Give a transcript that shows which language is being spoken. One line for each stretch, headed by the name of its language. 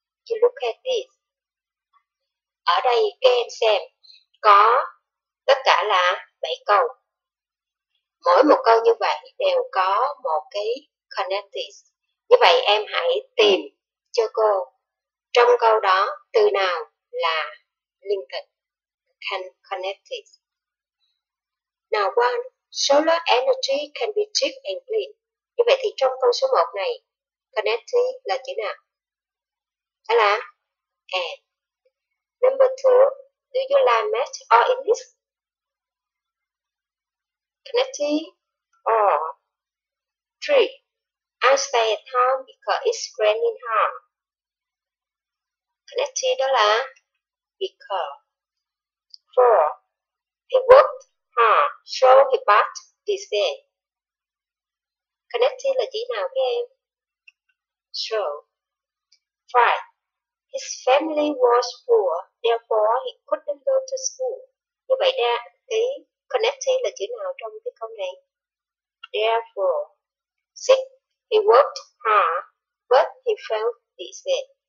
English: You look at this.
Vietnamese: Ở đây các em xem, có tất cả là 7 câu. Mỗi một câu như vậy đều có một cái connected. Như vậy em hãy tìm cho cô trong câu đó từ nào là linked, connected.
English: Now one, solar energy can be cheap and clean.
Vietnamese: Như vậy thì trong câu số 1 này, connected là chữ nào? Đó là and.
English: Number 2, do you like math or English? Connected or 3. I stay at home because it's raining hard. Connected
Vietnamese: đó là
English: because. 4. He worked hard, so he bought this day.
Vietnamese: Connected là gì nào các em? So. 5.
English: His family was poor, therefore he couldn't go to school.
Vietnamese: Như vậy đó, cái connected là chữ nào trong cái câu này?
English: Therefore. 6. He worked hard, but he felt dizzy.